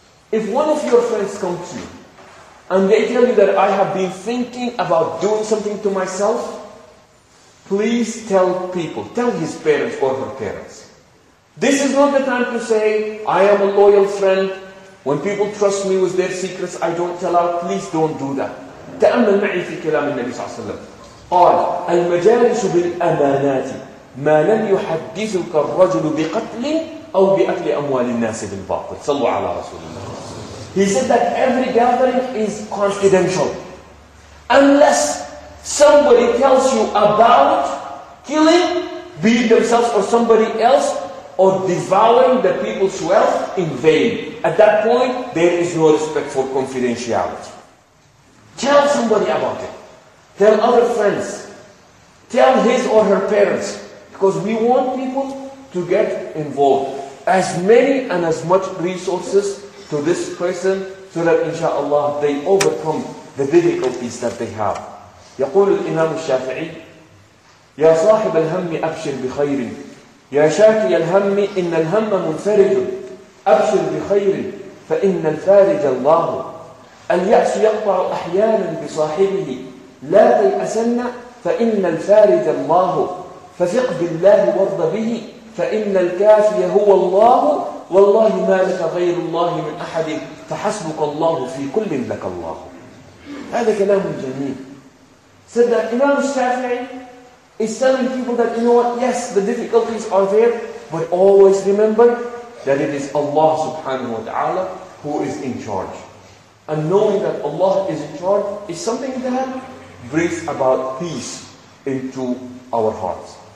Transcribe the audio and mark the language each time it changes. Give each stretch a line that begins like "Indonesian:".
English: If one of your friends comes to you and they tell you that I have been thinking about doing something to myself, please tell people, tell his parents or her parents. This is not the time to say, I am a loyal friend. When people trust me with their secrets, I don't tell out. Please don't do that.
Arabic: تأمل معي في كلام النبي صلى الله عليه وسلم. قال المجالس بالأمانات ما لم يحدثك الرجل بقتل أو بأكل أموال الناس بالباطل. صلوا على رسول الله.
English: He said that every gathering is confidential. Unless somebody tells you about killing, be it themselves or somebody else, or devouring the people's wealth in vain. At that point, there is no respect for confidentiality. Tell somebody about it. Tell other friends. Tell his or her parents. Because we want people to get involved. As many and as much resources to this person, so that inshallah they overcome the difficulties that they have.
Arabic: يقول الإمام الشافعي يا صاحب الهم أبشر بخير يا شاكي الهم إن الهم منفرج أبشر بخير فإن الفارج الله اليأس يقطع أحيانا بصاحبه لا تيأسن فإن الفارج الله فثق بالله وارض به فإن الكافي هو الله والله ما لك غير الله من أحد فحسبك الله في كل لك الله. هذا كلام جميل.
English: Said that Imam Shafi'i is telling people that, you know what, yes, the difficulties are there, but always remember that it is Allah subhanahu wa ta'ala who is in charge. And knowing that Allah is in charge is something that brings about peace into our hearts.